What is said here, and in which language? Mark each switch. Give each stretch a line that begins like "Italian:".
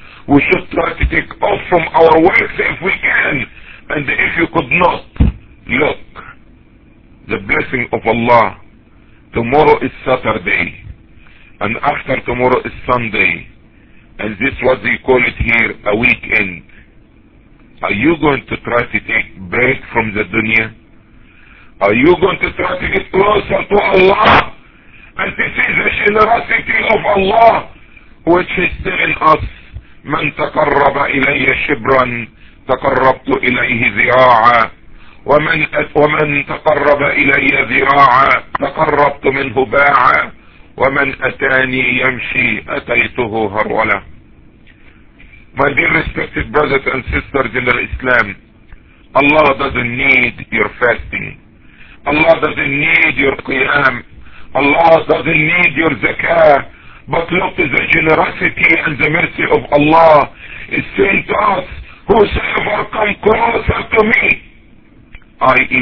English: We should try to take off from our works if we can, and if you could not, look, the blessing of Allah, tomorrow is Saturday, and after tomorrow is Sunday, and this what they call it here, a weekend. Are you going to try to take break from the dunya? Are you going to try to get closer to Allah? And this is the generosity of Allah, which is telling us,
Arabic: من تقرب إلي شبرا تقربت إليه ذراعا ومن تقرب إلي ذراعا تقربت منه باعا ومن أتاني يمشي أتيته هرولة.
English: My dear respected brothers and sisters in the Islam, Allah doesn't need your fasting. Allah doesn't need your qiyam. Allah doesn't need your zakah. But look, the generosity and the mercy of Allah is saying to us, whosoever come closer to me, i.e.